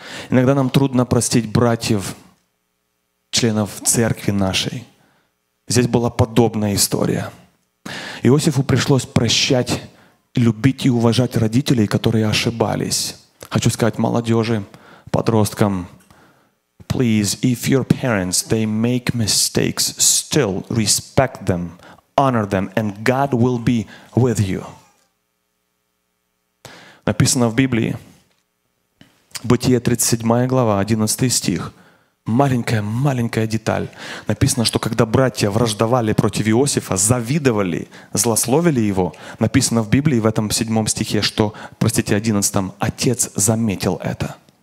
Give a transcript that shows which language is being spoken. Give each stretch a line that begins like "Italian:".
Russian: Иногда нам трудно простить братьев, членов церкви нашей. Здесь была подобная история. Иосифу пришлось прощать, любить и уважать родителей, которые ошибались. Хочу сказать молодежи, подросткам.
English: Please, if your parents, they make mistakes, still respect them, honor them, and God will be with you.
Russian: Написано в Библии, Бытие 37 глава, 11 стих. Маленькая-маленькая деталь. Написано, что когда братья враждовали против Иосифа, завидовали, злословили его, написано в Библии в этом 7 стихе, что, простите, 11, отец заметил это.